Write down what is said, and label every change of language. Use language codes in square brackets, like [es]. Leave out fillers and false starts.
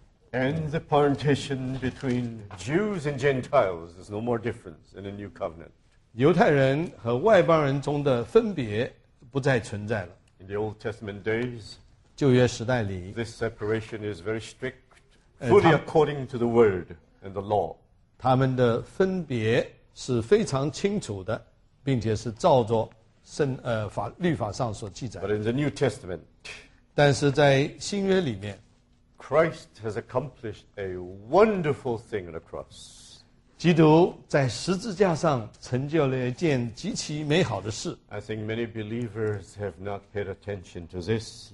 [en] And the partition between Jews and Gentiles is no more different in a new covenant. [zh] 犹太人和外邦人中的分别不再存在了。 [en] In the Old Testament days, [zh] 旧约时代里, [en] this separation is very strict, fully according to the word and the law. [zh] 他们的分别是非常清楚的, 并且是照着律法上所记载。 [en] But in the New Testament, [zh] 但是在新约里面, [en] Christ has accomplished a wonderful thing on the cross. [zh] 基督在十字架上成就了一件极其美好的事。 [en] I think many believers have not paid attention to this.